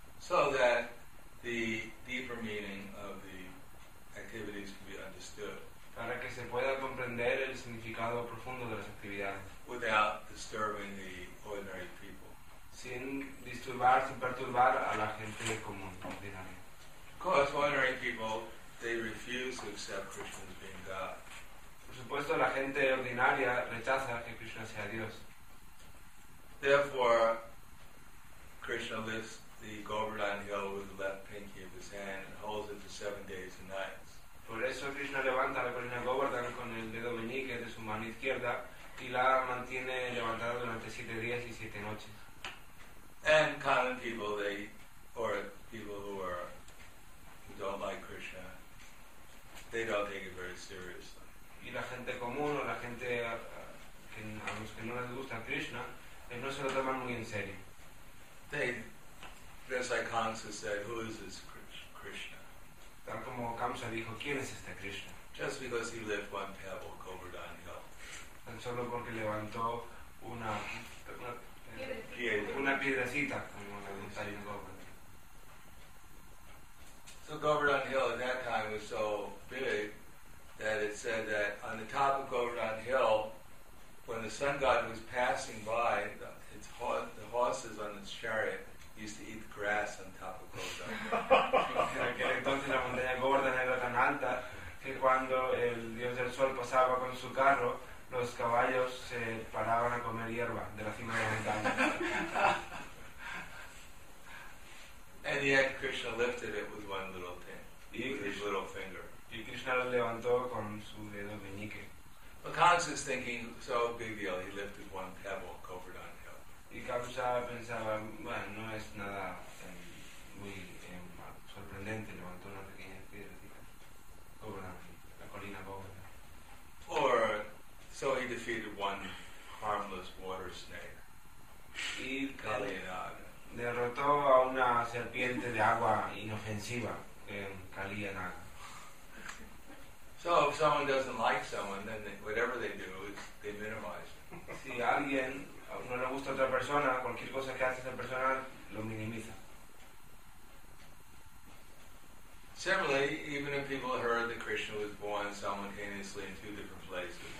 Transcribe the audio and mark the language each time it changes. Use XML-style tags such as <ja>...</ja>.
<en>So that the deeper meaning of the activities can be understood.</en> <es>Para que se pueda comprender el significado profundo de las actividades.</es> <en>Without disturbing the ordinary people.</en> <es>Sin disturbar, sin perturbar a la gente común, ordinaria.</es> <en>Because ordinary people, they refuse to accept Krishna as being God.</en> <es>Por supuesto, la gente ordinaria rechaza que Krishna sea Dios.</es> <en>Therefore, Krishna lifts the Govardhan Hill with the left pinky of his hand and holds it for 7 days and nights.</en> <es>Por eso Krishna levanta la colina Govardhan con el dedo meñique de su mano izquierda y la mantiene levantada durante 7 días y 7 noches.</es> <en>And common people, they, or people who are don't like Krishna, they don't take it very seriously.</en> <es>Y la gente común o la gente a los que no les gusta Krishna, no se lo toman muy en serio.</es> <en>They, just like Kamsa said, who is this Krishna?</en> <es>Tal como Kamsa dijo, ¿quién es este Krishna?</es> <en>Just because he lift one pebble, Govardhan Hill.</en> <es>Tan solo porque levantó una piedrecita como la montaña Govardhan.</es> <en>So Govardhan Hill at that time was so big that it said that on the top of Govardhan Hill, when the sun god was passing by, the horses on its chariot used to eat the grass on top of Govardhan Hill.</en> <es>Entonces la montaña Govardhan era tan alta que cuando el dios del sol pasaba con su carro, los caballos se paraban a comer hierba de la cima de la montaña.</es> <en>And yet Krishna lifted it with one little pin, his little finger.</en> <es>Y Krishna lo levantó con su dedo meñique.</es> <en>But Kamsa is thinking, so big deal, he lifted one pebble, Govardhan Hill.</en> <es>Y Kamsa pensaba, bueno, no es nada muy sorprendente, levantó una pequeña piedra, Govardhan Hill, la colina Govardhan.</es> <en>Or, so he defeated one harmless water snake, Kaliyanaga.</en> <es>Derrotó a una serpiente de agua inofensiva en Kaliyanaga.</es> <en>So if someone doesn't like someone, then whatever they do is they minimize it.</en> <es>Si alguien no le gusta a otra persona, cualquier cosa que hace esa persona lo minimiza.</es> <en>Similarly, even if people heard that Krishna was born simultaneously in 2 different places.</en>